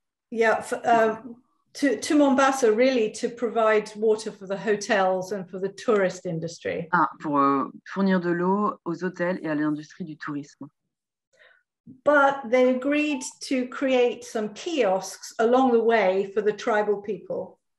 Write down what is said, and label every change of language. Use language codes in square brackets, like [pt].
[en] Yeah, to Mombasa, really, to provide water for the hotels and for the tourist industry. [fr] Ah, pour fournir de l'eau aux hôtels et à l'industrie du tourisme. [en] But they agreed to create some kiosks along the way for the tribal people.